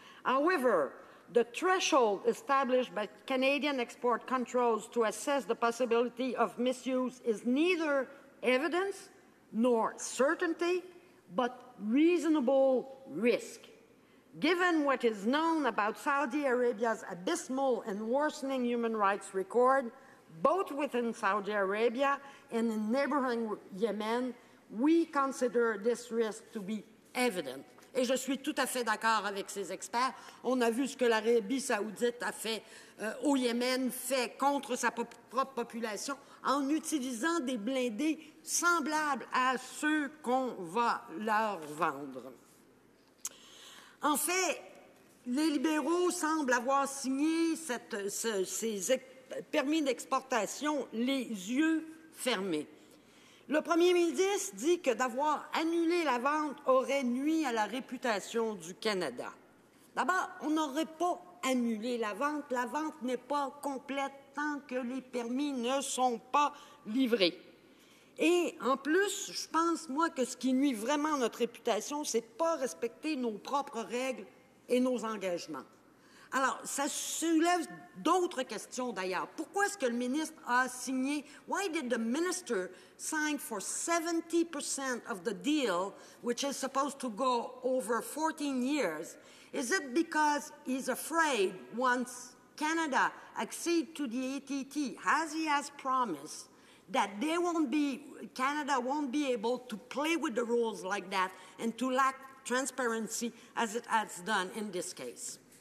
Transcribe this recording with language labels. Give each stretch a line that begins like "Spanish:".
English: However, the threshold established by Canadian export controls to assess the possibility of misuse is neither evidence nor certainty, but reasonable risk. Given what is known about Saudi Arabia's abysmal and worsening human rights record, both within Saudi Arabia and in neighboring Yemen, we consider this risk to be evident.
French: Et je suis tout à fait d'accord avec ces experts. On a vu ce que l'Arabie saoudite a fait au Yémen, fait contre sa propre population, en utilisant des blindés semblables à ceux qu'on va leur vendre. En fait, les libéraux semblent avoir signé ces permis d'exportation les yeux fermés. Le premier ministre dit que d'avoir annulé la vente aurait nuit à la réputation du Canada. D'abord, on n'aurait pas annulé la vente. La vente n'est pas complète tant que les permis ne sont pas livrés. Et en plus, je pense, moi, que ce qui nuit vraiment à notre réputation, c'est pas respecter nos propres règles et nos engagements. Alors, ça soulève d'autres questions, d'ailleurs. Pourquoi est-ce que le ministre a signé?
English: Why did the minister sign for 70% of the deal, which is supposed to go over 14 years? Is it because he's afraid once Canada accedes to the ATT, as he has promised, that they won't be, Canada won't be able to play with the rules like that and to lack transparency as it has done in this case?